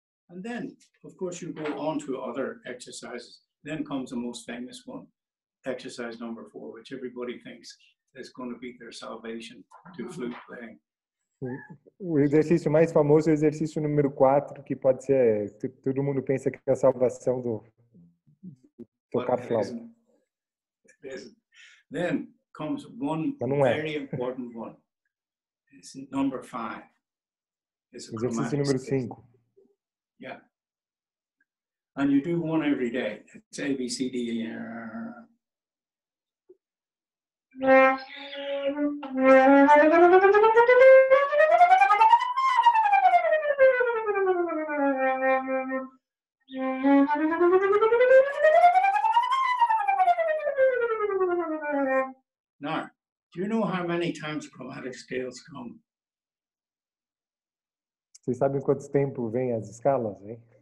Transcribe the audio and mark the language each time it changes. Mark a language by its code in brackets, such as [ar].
[en] And then, of course, you go on to other exercises. Then comes the most famous one, exercise number 4, which everybody thinks is going to be their salvation to flute playing. [pt] O exercício mais famoso é o exercício número 4, que pode ser, todo mundo pensa que é a salvação do tocar flauta. [en] Then comes one very important one. It's number 5. [pt] Exercício número 5. [en] Yeah. And you do one every day. It's A, B, C, D, E, now, do you know how many times chromatic scales come? [pt] Vocês sabem quanto tempo vem as escalas, hein?